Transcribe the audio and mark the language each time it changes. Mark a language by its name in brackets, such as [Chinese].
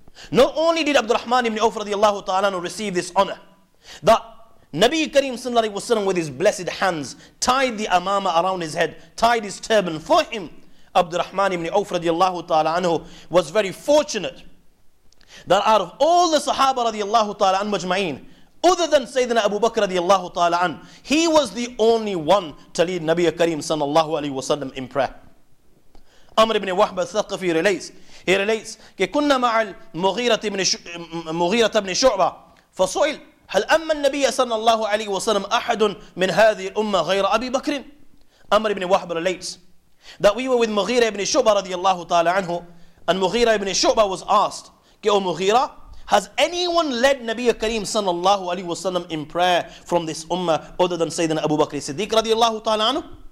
[English] Not only did Abdul Rahman ibn Awf radiallahu ta'ala anhu receive this honor, that Nabi Kareem sallallahu alayhi wa sallam with his blessed hands tied the amama around his head, tied his turban for him, Abdul Rahman ibn Awf radiallahu ta'ala anhu was very fortunate that out of all the Sahaba radiallahu ta'ala anhu majma'in, other than Sayyidina Abu Bakr radiallahu ta'ala anhu, he was the only one to lead Nabi Kareem sallallahu alayhi wa sallam in prayer. Amr ibn Wahb al-Thaqafi relates, [Arabic] كُنَّ مَعَ الْمُغِيرَةِ ابْنِ شُعْبَةَ فَصُعِلْ هَلْ أَمَّ النَّبِيَ سَنَّ عَلَيْهِ وَسَلَّمْ أَحَدٌ مِنْ هَذِي الْأُمَّةِ غَيْرَ أَبِي بَكْرٍ. [English] Amr ibn Wahb relates that we were with Mughira ibn Shu'ba radiallahu ta'ala anhu, and Mughira ibn Shu'ba was asked, "Ki, O Mughira, has anyone led Nabi Kareem sallallahu alayhi wa sallam in prayer from this ummah other than Sayyidina Abu Bakr Siddiq radiallahu ta'ala anhu?"